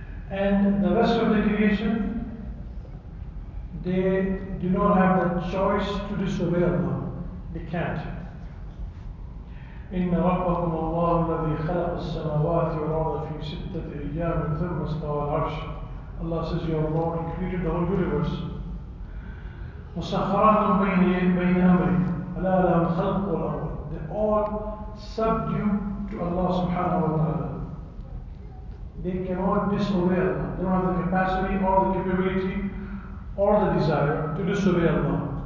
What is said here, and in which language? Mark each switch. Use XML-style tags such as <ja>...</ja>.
<en>And the rest of the creation, they do not have the choice to disobey Allah. They can't.</en> <ar>إن ربكم الله الذي خلق السماوات والأرض في ستة أيام ثم استوى على العرش.</ar> <en>Allah says, your Lord, He created the whole universe.</en> <ar>مسخرات بين أمرين. ألا له الخلق والأمر.</ar> <en>They all subdued to Allah</en> <ar>سبحانه وتعالى.</ar> <en>They cannot disobey Allah. They don't have the capacity or the capability or the desire to disobey Allah.</en>